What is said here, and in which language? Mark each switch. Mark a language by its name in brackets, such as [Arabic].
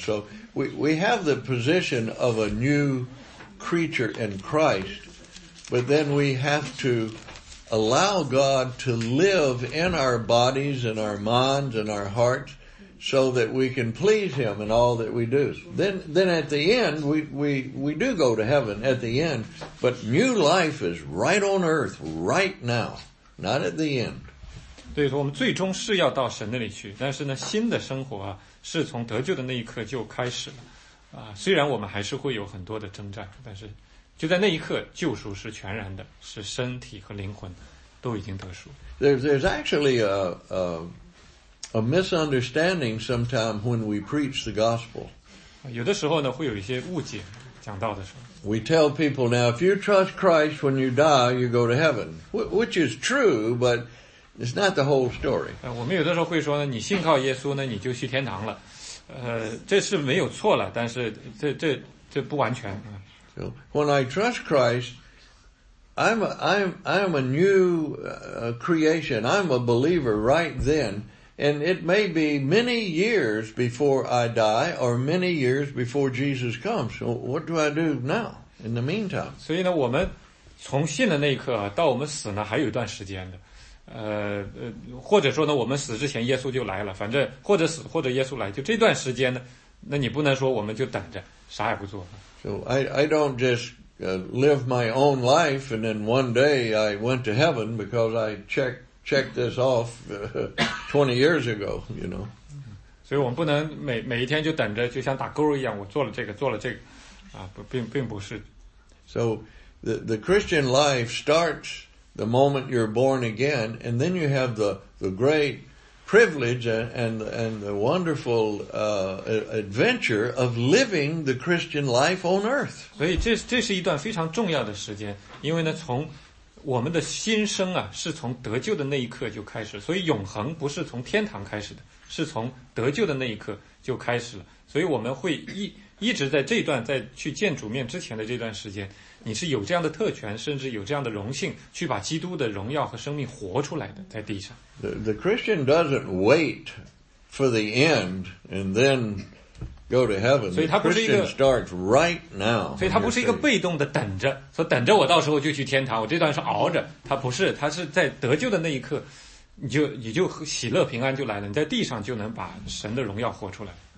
[English] So we have the position of a new creature in Christ, but then we have to allow God to live in our bodies and our minds and our hearts so that we can please Him in all that we do. Then at the end, we do go to heaven at the end, but new life is right on earth right now, not at the end. [Chinese] 对，我们最终是要到神那里去，但是呢，新的生活啊，是从得救的那一刻就开始了。虽然我们还是会有很多的征战，但是就在那一刻，救赎是全然的，是身体和灵魂都已经得赎。 [English] There's actually a misunderstanding sometime when we preach the gospel. [Chinese] 有的时候呢，会有一些误解，讲道的时候。 [English] We tell people now, if you trust Christ when you die, you go to heaven, which is true, but it's not the whole story. [Chinese] 我们有的时候会说呢，你信靠耶稣呢，你就去天堂了。这是没有错了，但是这不完全。 [English] So, when I trust Christ, I'm a new creation. I'm a believer right then. And it may be many years before I die or many years before Jesus comes. So what do I do now in the meantime? [Chinese] 所以呢，我们从信的那一刻到我们死呢，还有一段时间的。或者说呢，我们死之前耶稣就来了，反正或者死或者耶稣来，就这段时间呢，那你不能说我们就等着啥也不做。 [English] So I don't just live my own life and then one day I went to heaven because I checked this off 20 years ago, you know. [Chinese] 所以我们不能每一天就等着，就像打勾一样，我做了这个做了这个啊，并不是。 [English] So the Christian life starts the moment you're born again, and then you have the great privilege and the wonderful adventure of living the Christian life on earth. [Chinese] 所以这是一段非常重要的时间，因为呢，从我们的新生啊，是从得救的那一刻就开始，所以永恒不是从天堂开始的，是从得救的那一刻就开始了。所以我们会一直在这段，在去见主面之前的这段时间，你是有这样的特权，甚至有这样的荣幸，去把基督的荣耀和生命活出来的，在地上。 [English] The Christian doesn't wait for the end and then go to heaven. [Chinese] 所以他不是一个 [English] Christian starts right now. [Chinese] 所以他不是一个被动的等着，说等着我到时候就去天堂，我这段是熬着。他不是，他是在得救的那一刻，你就喜乐平安就来了，你在地上就能把神的荣耀活出来。